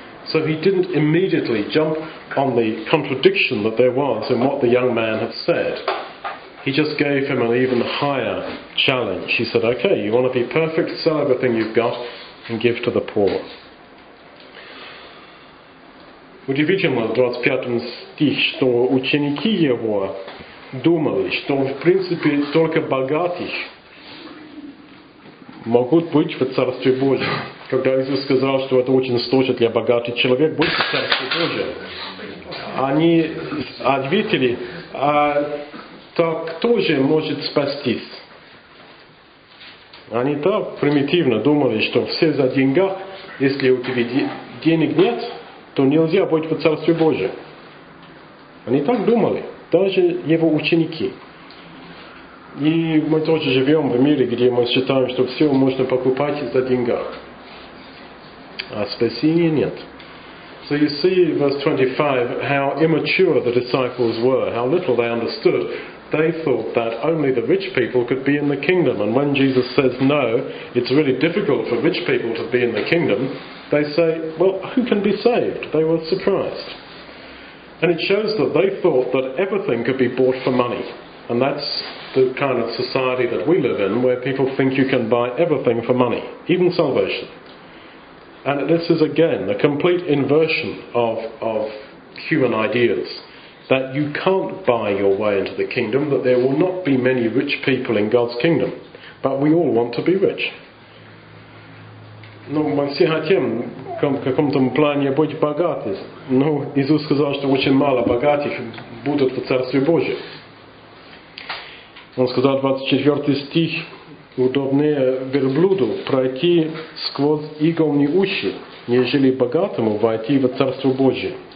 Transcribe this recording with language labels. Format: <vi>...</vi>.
<en>So he didn't immediately jump on the contradiction that there was in what the young man had said. He just gave him an even higher challenge. He said, okay, you want to be perfect, sell everything you've got and give to the poor.</en> <ru>Удивительно, 25 стих, что ученики его думали, что в принципе только богатых могут быть в Царстве Божьем. Когда Иисус сказал, что это очень сложно для богатых человек быть в Царстве Божьем, они ответили, а так кто же может спастись? Они так примитивно думали, что все за деньгах, если у тебя денег нет, то нельзя быть в Царстве Божьем. Они так думали, даже его ученики. И мы тоже живем в мире, где мы считаем, что все можно покупать за деньгах. А спасения нет.</ru> <en>So you see, verse 25, how immature the disciples were, how little they understood. They thought that only the rich people could be in the kingdom. And when Jesus says, no, it's really difficult for rich people to be in the kingdom, they say, well, who can be saved? They were surprised. And it shows that they thought that everything could be bought for money. And that's the kind of society that we live in, where people think you can buy everything for money, even salvation. And this is, again, a complete inversion of human ideas, that you can't buy your way into the kingdom, that there will not be many rich people in God's kingdom. But we all want to be rich.</en> <ru>Ну, мы все хотим в каком-то плане быть богаты. Но Иисус сказал, что очень мало богатых будут в Царстве Божьем. Он сказал, 24 стих, удобнее верблюду пройти сквозь игольные уши, нежели богатому войти в Царство Божие.</ru>